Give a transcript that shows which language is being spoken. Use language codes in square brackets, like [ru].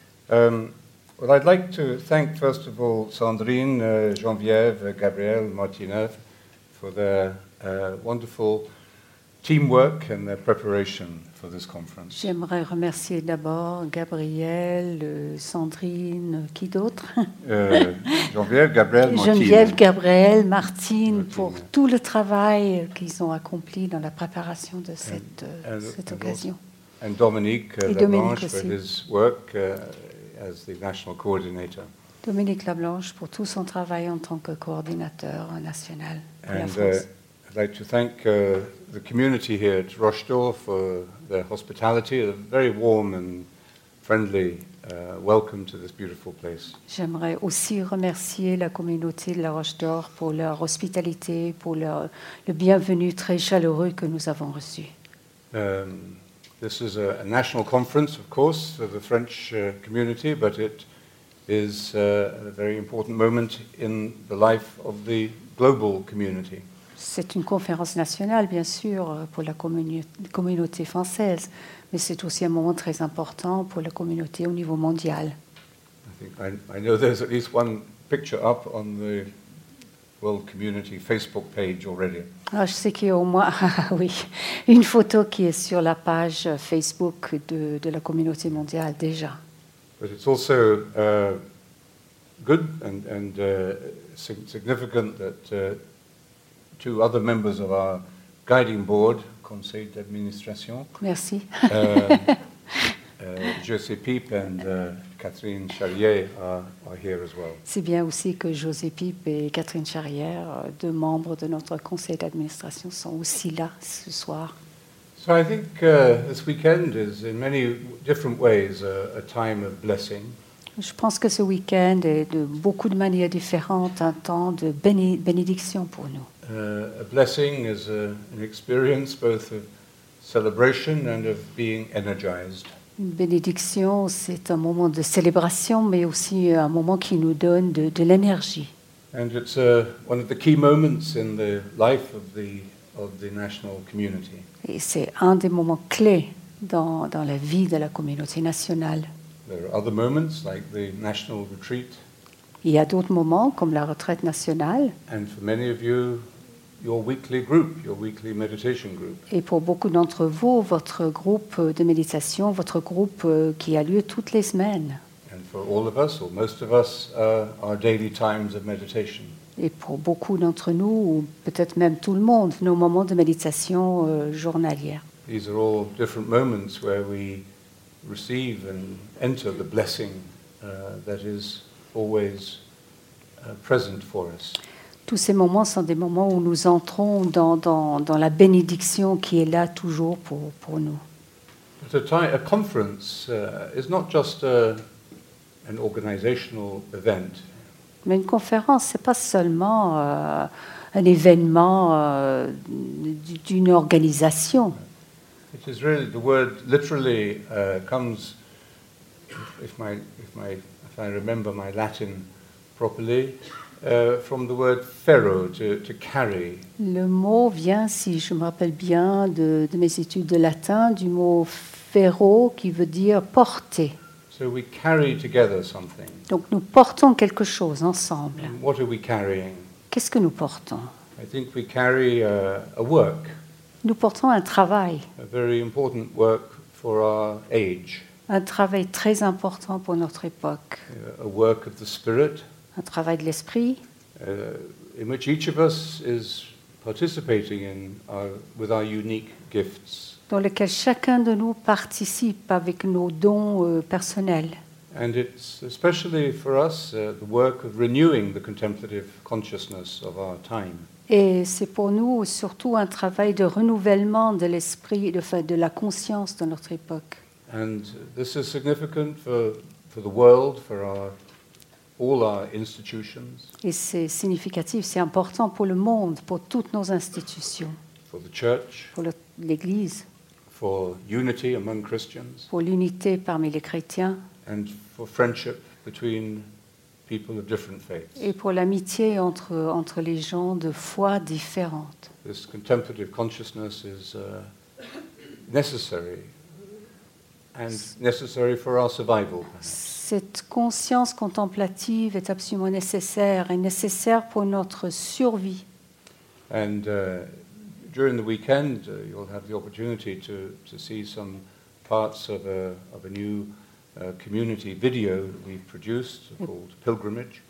[en] Well, I'd like to thank first of all Sandrine, Geneviève, Gabriel, Martineuf for their wonderful teamwork and their preparation for this conference. [fr] J'aimerais remercier d'abord Gabriel, Sandrine, qui d'autre? Geneviève, Gabriel, Martine, pour tout le travail qu'ils ont accompli dans la préparation de cette occasion. [en] And Dominique Lablanche for his work as the national coordinator. [fr] Dominique Lablanche pour tout son travail en tant que coordinateur national pour [en] and, [fr] la France. [en] I'd like to thank the community here at Rochdorf for their hospitality, a very warm and friendly welcome to this beautiful place. [fr] J'aimerais aussi remercier la communauté de la Rochdorf pour leur hospitalité, pour le bienvenue très chaleureux que nous avons reçu. [en] This is a national conference, of course, for the French community, but it is a very important moment in the life of the global community. [fr] C'est une conférence nationale, bien sûr, pour la communauté française, mais c'est aussi un moment très important pour la communauté au niveau mondial. [en] I know there's at least one picture up on the World Community Facebook page already. [fr] Je sais qu'il y a au moins oui, une photo qui est sur la page Facebook de la communauté mondiale déjà. [en] But it's also good and significant that two other members of our guiding board, [fr] Conseil d'administration. Merci. [en] José Pip and Catherine Charrier are here as well. [fr] C'est bien aussi que José Pip et Catherine Charrier, deux membres de notre conseil d'administration, sont aussi là ce soir. [en] So I think this weekend is in many different ways a time of blessing. [fr] Je pense que ce weekend est de beaucoup de manières différentes un temps de bénédiction pour nous. [en] A blessing is an experience both of celebration and of being energized. [fr] Une bénédiction, c'est un moment de célébration, mais aussi un moment qui nous donne de l'énergie. [en] And it's one of the key moments in the life of the national community. [fr] Et c'est un des moments clés dans la vie de la communauté nationale. [en] There are other moments, like the national retreat. [fr] Il y a d'autres moments, comme la retraite nationale. [en] And for many of you, your weekly group, your weekly meditation group. [fr] Et pour beaucoup d'entre vous, votre groupe de méditation, votre groupe qui a lieu toutes les semaines. [en] And for all of us, or most of us, our daily times of meditation. [fr] Et pour beaucoup d'entre nous, ou peut-être même tout le monde, nos moments de méditation journalières. [en] These are all different moments where we receive and enter the blessing that is always present for us. [fr] Tous ces moments sont des moments où nous entrons dans la bénédiction qui est là toujours pour nous. [en] But a conference is not just an organizational event. [fr] Mais une conférence, c'est pas seulement un événement d'une organisation. [en] It is really the word literally comes if I remember my Latin properly. From the word ferro, to carry. [fr] Le mot vient, si je me rappelle bien, de mes études de latin, du mot ferro, qui veut dire porter. [en] So we carry together something. [fr] Donc nous portons quelque chose ensemble. [en] And what are we carrying? [fr] Qu'est-ce que nous portons? [en] I think we carry a work. [fr] Nous portons un travail. [en] A very important work for our age. [fr] Un travail très important pour notre époque. [en] A work of the spirit. [fr] Un travail de l'esprit [en] in which each of us is participating in with our unique gifts, [fr] dans lequel chacun de nous participe avec nos dons personnels. [en] And it's especially for us the work of renewing the contemplative consciousness of our time. [fr] Et c'est pour nous surtout un travail de renouvellement de l'esprit, de la conscience de notre époque. [en] And this is significant for the world, for all our institutions. [fr] Et c'est significatif, c'est important pour le monde, pour toutes nos institutions. [en] For the church. [fr] Pour l'Église. [en] For unity among Christians. [fr] Pour l'unité parmi les chrétiens. [en] And for friendship between people of different faiths. [fr] Et pour l'amitié entre les gens de foi différente. [en] This contemplative consciousness is necessary, and necessary for our survival. [fr] Cette conscience contemplative est absolument nécessaire et nécessaire pour notre survie. [en] And during the weekend, you'll have the opportunity to see some parts of a new community video we've produced called Pilgrimage.